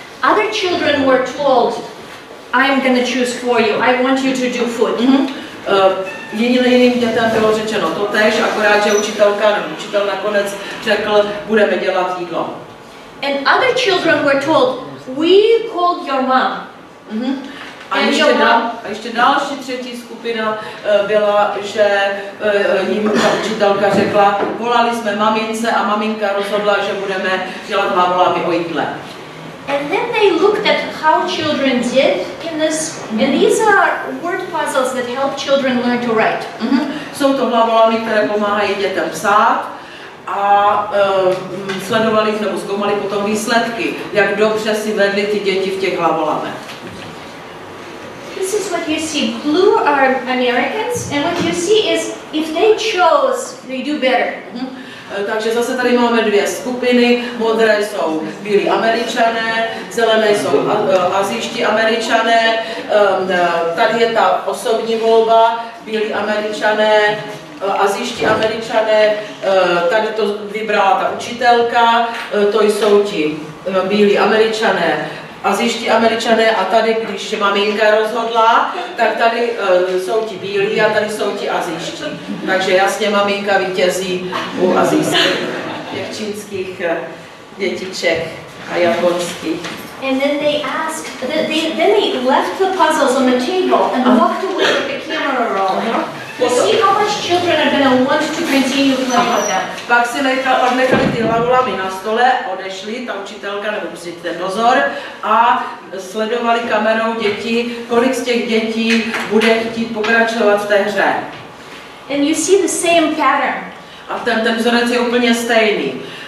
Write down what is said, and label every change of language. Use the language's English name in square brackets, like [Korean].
[English] Other children were told, I'm going to choose for you. I want you to do food. [Czech] Jiným dětem bylo řečeno totéž, akorát že učitel nakonec řekl, budeme dělat jídlo. [English] And other children were told, we called your mom. [Czech] A ještě další třetí skupina byla, že jim ta učitelka řekla, volali jsme mamince a maminka rozhodla, že budeme dělat hlavolamy o jídle. [English] And then they looked at how children did in this, and these are word puzzles that help children learn to write. Mm-hmm. [Czech] Jsou to hlavolamy, které pomáhají dětem psát a sledovali nebo zkoumali potom výsledky, jak dobře si vedli ty děti v těch hlavolamech. [English] This is what you see. Blue are Americans, and what you see is if they chose, they do better. [Czech] Takže zase tady máme dvě skupiny. Modré jsou bílí Američané, zelené jsou asijští Američané. Tady je ta osobní volba, bílí Američané, asijští Američané. Tady to vybrala ta učitelka, to jsou ti bílí Američané. Asijští Američané a tady, když maminka rozhodla, tak tady jsou ti bílí a tady jsou ti asijští. Takže jasně maminka vítězí u asijských, těch čínských dětiček a japonských. [English] And then they asked, then they left the puzzles on the table and walked away with the camera roll. We'll see how much children are going to want to continue playing with them. [Czech] Pak si nechali ty hlavolamy na stole, odešli, ta učitelka, nebo si ten dozor, a sledovali kamerou děti, kolik z těch dětí bude chtít pokračovat v té hře. [English] And you see the same pattern. [Czech] A ten vzorec je úplně stejný.